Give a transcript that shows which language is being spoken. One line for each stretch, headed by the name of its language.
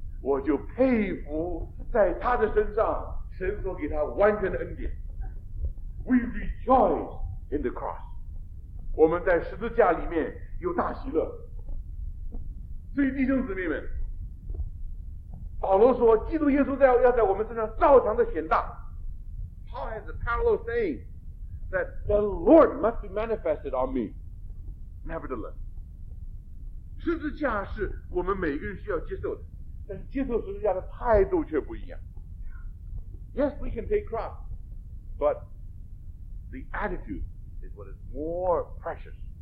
Chinese: 我就佩服在他的身上神所给他完全的恩典。We
English: rejoice in the cross.
Chinese: 我们在十字架里面有大喜乐。所以弟兄姊妹们，保罗说基督耶稣要在我们身上照常的显大。Paul
English: has a parallel saying that the Lord must be manifested on me. Nevertheless,
Chinese: 十字架是我们每个人需要接受的。
English: Yes, we can take cross, but the attitude is what is more precious.